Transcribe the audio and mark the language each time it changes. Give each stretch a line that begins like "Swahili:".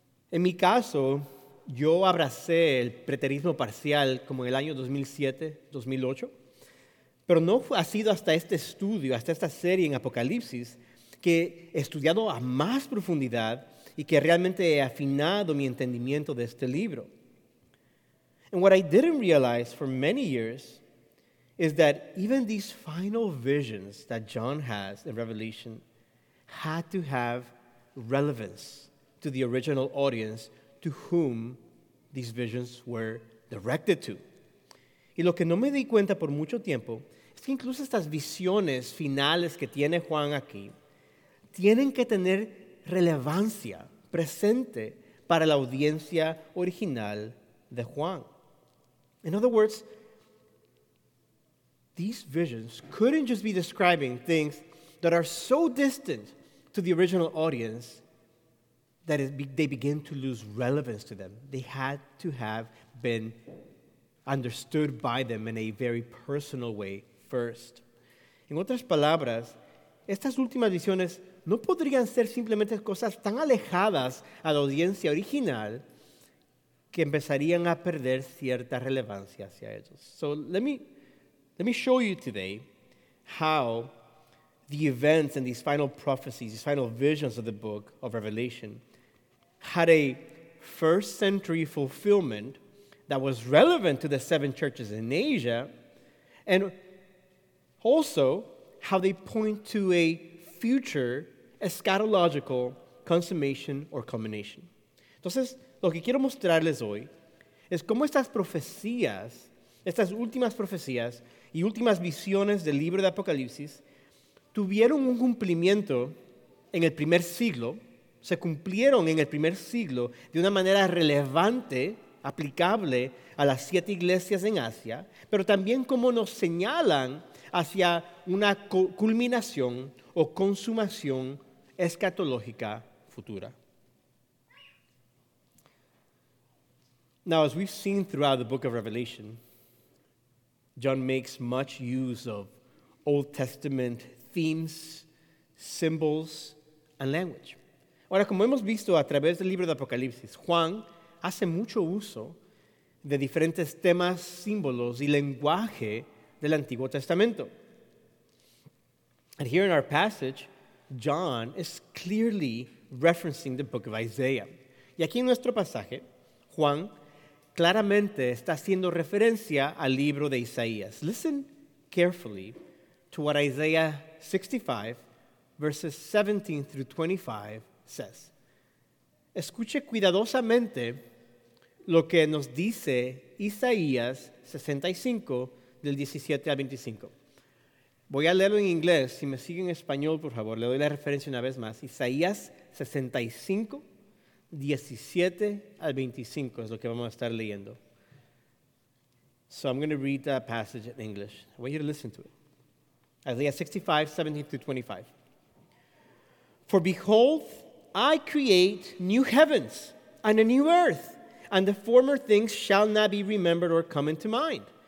Spanish: En mi caso, yo abracé el preterismo parcial como en el año 2007, 2008, pero no ha sido hasta este estudio, hasta esta serie en Apocalipsis, que he estudiado a más profundidad y que realmente he afinado mi entendimiento de este libro.
English: And what I didn't realize for many years is that even these final visions that John has in Revelation had to have relevance to the original audience to whom these visions were directed to.
Spanish: Y lo que no me di cuenta por mucho tiempo es que incluso estas visiones finales que tiene Juan aquí tienen que tener relevancia presente para la audiencia original de Juan.
English: In other words, these visions couldn't just be describing things that are so distant to the original audience that they begin to lose relevance to them. They had to have been understood by them in a very personal way first.
Spanish: En otras palabras, estas últimas visiones no podrían ser simplemente cosas tan alejadas a la audiencia original que empezarían a perder cierta relevancia hacia ellos.
English: So let me show you today how the events and these final prophecies, these final visions of the book of Revelation had a first century fulfillment that was relevant to the seven churches in Asia, and also how they point to a future eschatological consummation or culmination.
Spanish: Entonces, lo que quiero mostrarles hoy es cómo estas profecías, estas últimas profecías y últimas visiones del libro de Apocalipsis tuvieron un cumplimiento en el primer siglo, se cumplieron en el primer siglo de una manera relevante, aplicable a las siete iglesias en Asia, pero también cómo nos señalan hacia una culminación o consumación escatológica futura.
English: Now, as we've seen throughout the book of Revelation, John makes much use of Old Testament themes, symbols, and language.
Spanish: Ahora, como hemos visto a través del libro de Apocalipsis, Juan hace mucho uso de diferentes temas, símbolos y lenguaje del Antiguo Testamento.
English: And here in our passage, John is clearly referencing the book of Isaiah.
Spanish: Y aquí en nuestro pasaje, Juan claramente está haciendo referencia al libro de Isaías.
English: Listen carefully to what Isaiah 65, verses 17 through 25 says.
Spanish: Escuche cuidadosamente lo que nos dice Isaías 65, del 17 al 25. Voy a leerlo en inglés. Si me siguen en español, por favor, le doy la referencia una vez más. Isaías 65, 17 al 25 es lo que vamos a estar leyendo.
English: So I'm going to read that passage in English. I want you to listen to it. Isaiah 65, 17 through 25. For behold, I create new heavens and a new earth, and the former things shall not be remembered or come into mind.